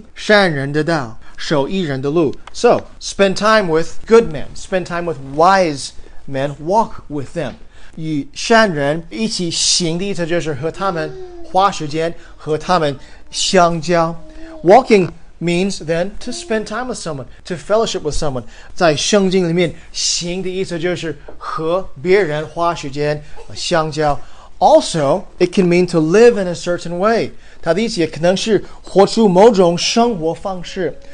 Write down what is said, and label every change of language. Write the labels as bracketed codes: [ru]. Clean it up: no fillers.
[zh] 智慧必使你行善人的道,守义人的路。 [en] So, spend time with good men. Spend time with wise men. Walk with them. [zh] 与善人一起行的意思就是和他们花时间,和他们相交. [en] Walking means then to spend time with someone, to fellowship with someone. [zh] 在圣经里面,行的意思就是和别人花时间相交. [en] Also, it can mean to live in a certain way. [zh] 它的意思也可能是活出某种生活方式。